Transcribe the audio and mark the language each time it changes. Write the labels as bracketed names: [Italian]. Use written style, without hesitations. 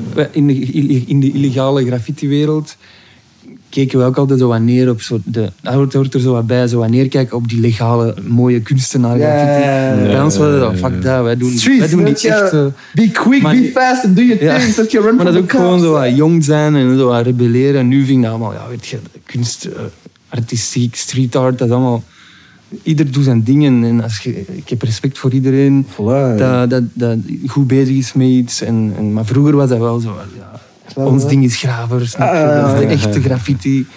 [Dutch] In de illegale graffiti-wereld keken we ook altijd zo wanneer op zo... Dat hoort er zo wat bij, zo wanneer kijken op die legale, mooie kunstenaar graffiti. Bij ons was dat, [English] fuck that, [Dutch] wij doen, [English] streets, [Dutch] wij doen die echte... [English] Be quick, be fast and do your things, that you run [Dutch] maar dat is ook gewoon zo wat jong zijn en zo wat rebelleren. En nu vind ik dat allemaal, ja, weet je, kunst, artistiek, street art, dat is allemaal... Ieder doet zijn dingen en als je, ik heb respect voor iedereen dat goed bezig is met iets. En, maar vroeger was dat wel zo, ja, ons ding is gravers, de echte graffiti.